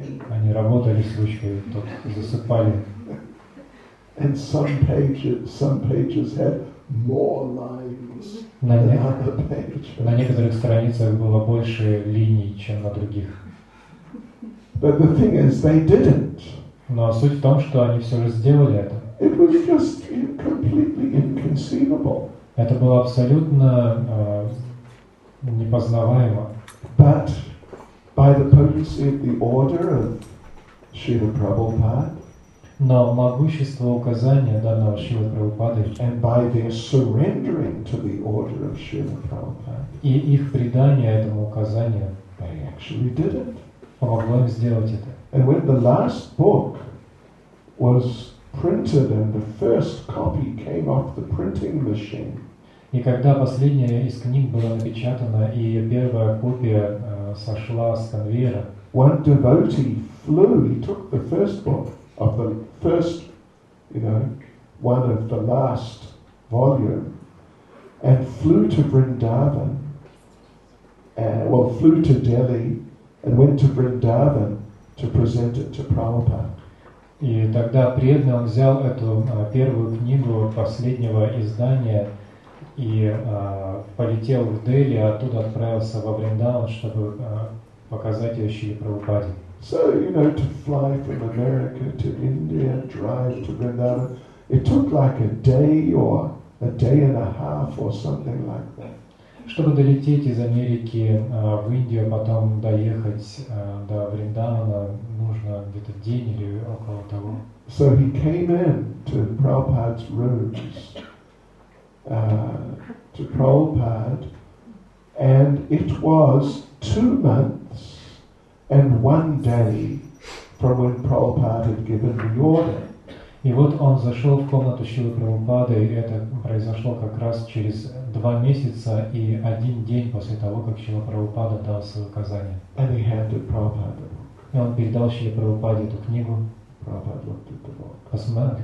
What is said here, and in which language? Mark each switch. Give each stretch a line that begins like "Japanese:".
Russian: Они работали с ручкой, тут засыпали.
English: And some pages had more lines than other pages.
Russian: На некоторых страницах было больше линий, чем на других.
English: But the thing is, they didn't.
Russian: Но суть в том, что они все же сделали это.
English: It was just completely inconceivable.
Russian: Это было абсолютно непознаваемо.
English: But by the potency of the order of Srila Prabhupada.
Russian: Но могущество указания данного Шрилы Прабхупады.
English: And by their surrendering to the order of Srila Prabhupada.
Russian: И их предание этому указанию.
English: They actually did it.
Russian: Помогло им сделать это.
English: And when the last book was printed and the first copy came off the printing machine.
Russian: И когда последняя из книг была напечатана и первая копия сошла с конвейера.
English: One devotee flew. He took the first book of the first, one of the last volume, and flew to Vrindavan. Flew to Delhi and went to Vrindavan to present it to Prabhupada.
Russian: И тогда преданный он взял эту первую книгу последнего издания и полетел в Дели, а оттуда отправился во Вриндаван, чтобы показать ее Шриле Прабхупаде.
English: So, to fly from America to India, drive to Vrindavan, it took like a day and a half or something like that.
Russian: Чтобы долететь из Америки в Индию, потом доехать до Вриндавана, нужно где-то день или около того.
English: So he came in to Prabhupada's rooms, to Prabhupada, and it was 2 months and 1 day from when Prabhupada had given the order.
Russian: И вот он зашел в комнату Шрилы Прабхупады, и это произошло как раз через 2 месяца и 1 день после того, как Шрила Прабхупада дал свое указание.
English: And he handed Prabhupada.
Russian: И он передал Шриле Прабхупаде эту книгу.
English: Prabhupada looked at the book.